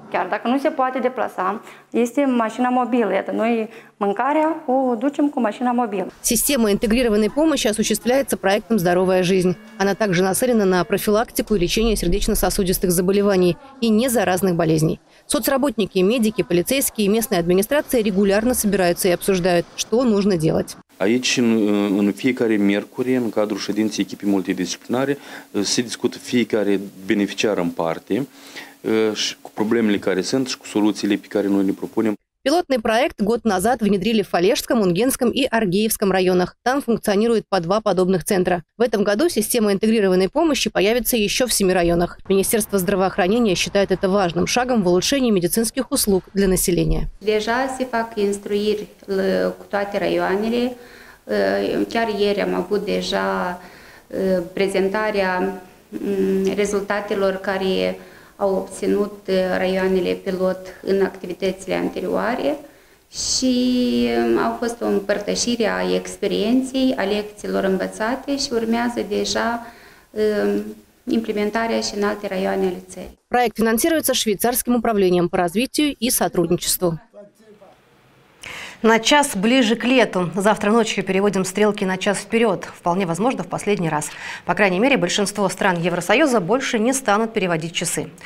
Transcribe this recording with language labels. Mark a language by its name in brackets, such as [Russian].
[Russian] Система интегрированной помощи осуществляется проектом «Здоровая жизнь». Она также нацелена на профилактику и лечение сердечно-сосудистых заболеваний и незаразных болезней. Соцработники, медики, полицейские и местные администрации регулярно собираются и обсуждают, что нужно делать. [Romanian] Aici, în fiecare miercuri, în cadrul ședinței echipei multidisciplinare, se discută fiecare beneficiar în parte și cu problemele care sunt și cu soluțiile pe care noi le propunem. [Russian] Пилотный проект год назад внедрили в Олежском, Унгенском и Аргеевском районах. Там функционирует по 2 подобных центра. В этом году система интегрированной помощи появится еще в 7 районах. Министерство здравоохранения считает это важным шагом в улучшении медицинских услуг для населения. [Romanian] Deja se fac instruiri cu toate raioanele. Chiar ieri am avut deja prezentarea rezultatelor care au obținut raioanele pilot în activitățile anterioare și au fost o împărtășire a experienței, a lecțiilor învățate și urmează deja implementarea și în alte raioane ale țării. Proiect finanțat de [Russian] Швейцарским управлением по развитию и сотрудничеству. На час ближе к лету. Завтра ночью переводим стрелки на час вперед. Вполне возможно, в последний раз. По крайней мере, большинство стран Евросоюза больше не станут переводить часы.